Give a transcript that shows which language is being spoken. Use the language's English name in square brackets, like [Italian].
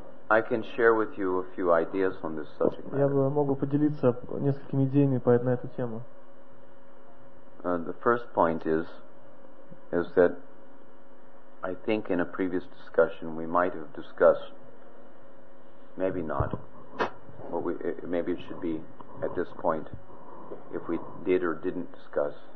[English] I can share with you a few ideas on this subject matter. [Russian] Я бы мог поделиться несколькими идеями на эту тему. [English] The first point is that I think in a previous discussion we might have discussed, maybe not, but maybe it should be at this point, if we did or didn't discuss